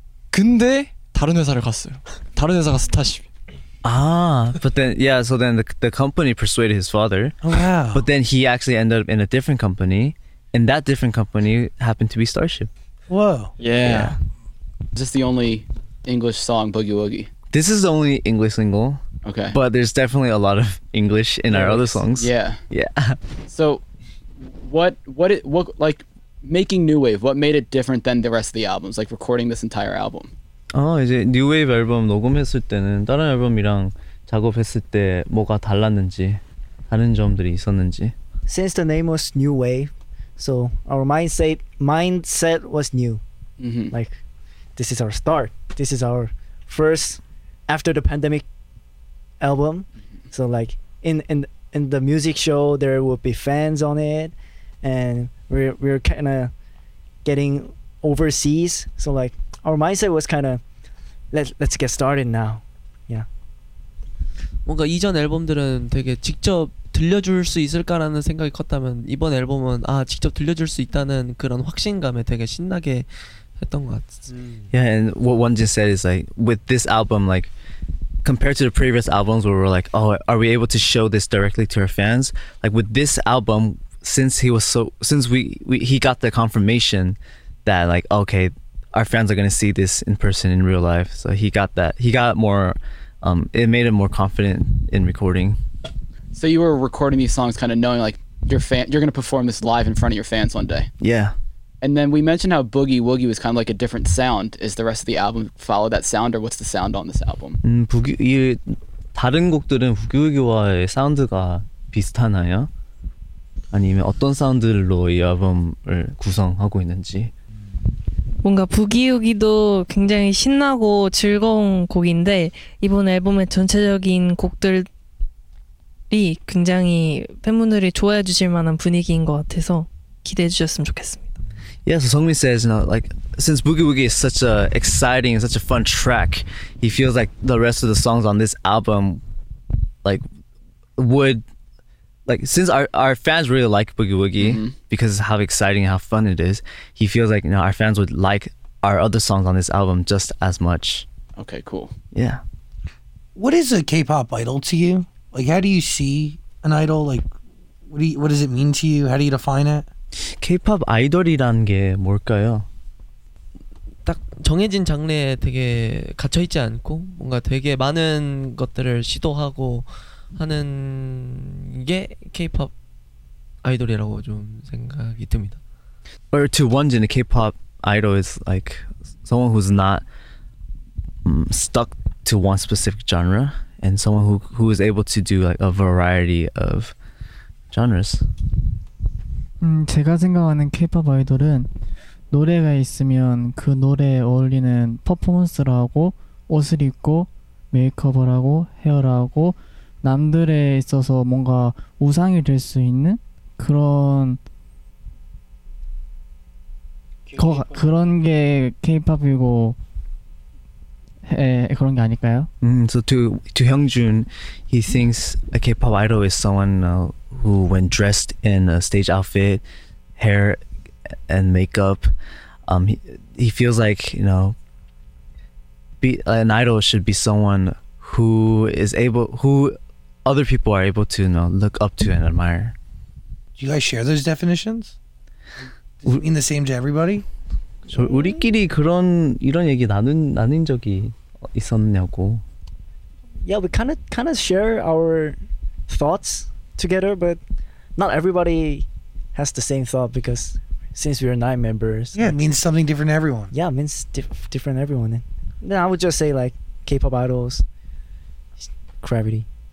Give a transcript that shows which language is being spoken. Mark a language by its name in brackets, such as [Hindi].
[Korean] 근데 다른 회사를 갔어요. 다른 회사 가서 다시. [English] Ah, but then, yeah, so then the company persuaded his father. Oh, wow. But then he actually ended up in a different company, and that different company happened to be Starship. Whoa. Yeah. Yeah. Is this the only English song, Boogie Woogie? This is the only English single. Okay. But there's definitely a lot of English in our other songs. Yeah. Yeah. So what like making New Wave, what made it different than the rest of the albums, like recording this entire album? [Korean] 이제 New Wave 앨범 녹음했을 때는 다른 앨범이랑 작업했을 때 뭐가 달랐는지, 다른 점들이 있었는지. [English] Since the name was New Wave, so our mindset was new. Mm-hmm. Like this is our start. This is our first after the pandemic album. So like in the music show there will be fans on it, and we're kind of getting overseas, so like our mindset was kind of let's get started now. Yeah. [Korean] 뭔가 이전 앨범들은 되게 직접 들려줄 수 있을까라는 생각이 컸다면 이번 앨범은 아 직접 들려줄 수 있다는 그런 확신감에 되게 신나게 했던 것 같습니다. [English] Yeah, and what Won just said is like with this album, like compared to the previous albums where we're like, oh, are we able to show this directly to our fans? Like with this album, since he got the confirmation that like, okay, our fans are gonna see this in person in real life. So he got that, he got more, it made him more confident in recording. So you were recording these songs kind of knowing like your fan, you're gonna perform this live in front of your fans one day. Yeah. And then we mentioned how Boogie Woogie was kind of like a different sound. Is the rest of the album follow that sound, or what's the sound on this album? [Korean] 이 다른 곡들은 Boogie Woogie와의 사운드가 비슷하나요? 아니면 어떤 사운드로 이 앨범을 구성하고 있는지? 뭔가 Boogie Woogie도 굉장히 신나고 즐거운 곡인데 이번 앨범의 전체적인 곡들이 굉장히 팬분들이 좋아해 주실 만한 분위기인 것 같아서 기대해 주셨으면 좋겠습니다. [English] Yeah, so Songmin says, you know, like, since Boogie Woogie is such a exciting and such a fun track, he feels like the rest of the songs on this album, like, would, like, since our fans really like Boogie Woogie, mm-hmm. because of how exciting and how fun it is, he feels like, you know, our fans would like our other songs on this album just as much. Okay, cool. Yeah. What is a K-pop idol to you? Like, how do you see an idol? Like, what does it mean to you? How do you define it? [Korean] K-pop 아이돌이란 게 뭘까요? 딱 정해진 장르에 되게 갇혀 있지 않고 뭔가 되게 많은 것들을 시도하고 하는 게 K-pop 아이돌이라고 좀 생각이 듭니다. [English] Or to Wonjin, a K-pop idol is like someone who's not stuck to one specific genre and someone who is able to do like a variety of genres. [Korean] 제가 생각하는 K-pop 아이돌은 노래가 있으면 그 노래에 어울리는 퍼포먼스를 하고 옷을 입고 메이크업을 하고 헤어를 하고 남들에 있어서 뭔가 우상이 될 수 있는 그런 그런 게 K-pop이고 그런 게 아닐까요? [English] So to Hyungjun, he thinks a K-pop idol is someone who when dressed in a stage outfit, hair and makeup, he feels like, you know, an idol should be someone who is able, who other people are able to, you know, look up to and admire. Do you guys share those definitions? Does it mean the same to everybody? [Korean] 저 우리끼리 그런 이런 얘기 나눈 적이 있었냐고. [English] Yeah, we kind of share our thoughts together, but not everybody has the same thought because since we are 9 members. Yeah, it means something different to everyone. Yeah, it means different to everyone. And then I would just say like K-pop idols, Cravity.